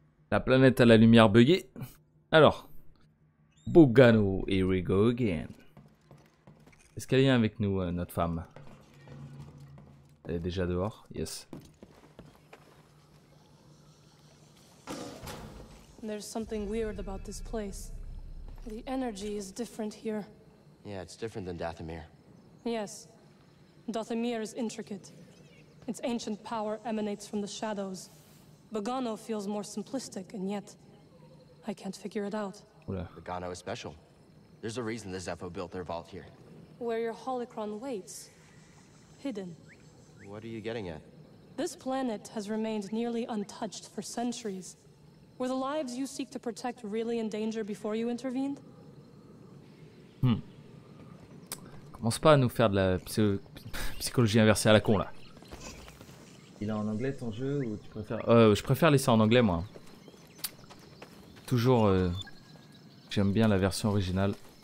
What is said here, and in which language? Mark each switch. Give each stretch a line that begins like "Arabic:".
French: La planète à la lumière buggée. Alors,
English: Bogano, here we go again.
French: Est-ce qu'elle vient avec nous, notre femme? Elle est déjà dehors?
English: Yes. There's something weird about this place. The energy is different here. Yeah, it's different than Dathomir. Yes. Dathomir is intricate. Its ancient power emanates from the shadows. Bogano feels more simplistic, and yet, I can't figure it out. Bogano is special. There's a reason the Zeffo built their vault here. Where your holocron waits. Hidden. What are you getting at? This planet has remained nearly untouched for centuries. Were the lives you seek to protect really in danger before you intervened? Hmm.
French: Commence pas à nous faire de la psychologie inversée à la con, là. Il est en anglais ton jeu ou tu préfères... je préfère laisser en anglais moi. Toujours... j'aime bien la version originale.